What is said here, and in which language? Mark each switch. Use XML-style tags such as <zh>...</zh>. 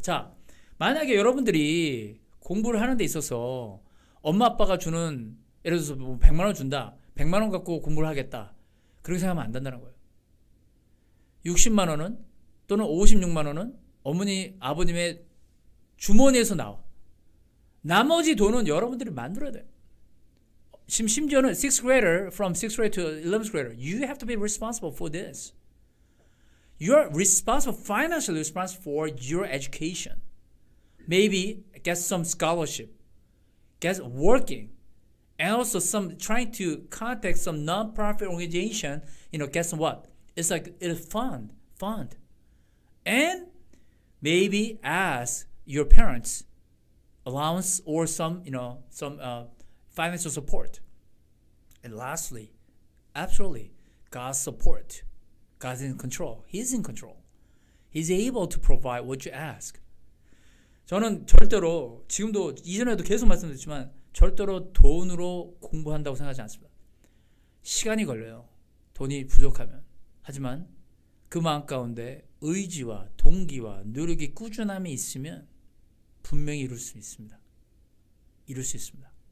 <ko>자, 만약에 여러분들이 공부를 하는 데 있어서 엄마 아빠가 주는, 예를 들어서 100만 원 준다. 100만 원 갖고 공부를 하겠다. 그렇게 생각하면 안 된다는 거예요. 60만 원은 또는 56만 원은 어머니, 아버님의 주머니에서 나와. 나머지 돈은 여러분들이 만들어야 돼. 심지어는</ko> <en>6th grader from 6th grade to 11th grader. You have to be responsible for this. You are responsible, financially responsible for your education. Maybe get some scholarship. Get working. And also some trying to contact some non-profit organization, you know, get some what? It's like it's fund. And maybe ask your parents' allowance or some, you know, some financial support. And lastly, absolutely, God's support. God's in control. He's in control. He's able to provide what you ask.</en> <ko>저는 절대로 지금도 이전에도 계속 말씀드렸지만 절대로 돈으로 공부한다고 생각하지 않습니다. 시간이 걸려요. 돈이 부족하면. 하지만 그 마음 가운데 의지와 동기와 노력이 꾸준함이 있으면 분명히 이룰 수 있습니다. 이룰 수 있습니다.</ko>